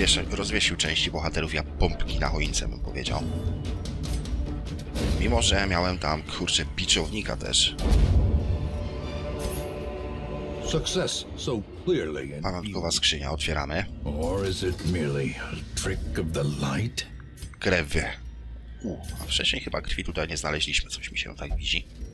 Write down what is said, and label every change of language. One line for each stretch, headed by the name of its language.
Polish: Rozwiesił części bohaterów, jak pompki na choince, bym powiedział. Mimo że miałem tam, kurczę, biczownika też.
English: Success so clearly.
Polish: Pamiątkowa skrzynia, otwieramy.
English: Or is it merely a trick of the light?
Polish: Krew. A wcześniej chyba krwi tutaj nie znaleźliśmy, coś mi się tak widzi.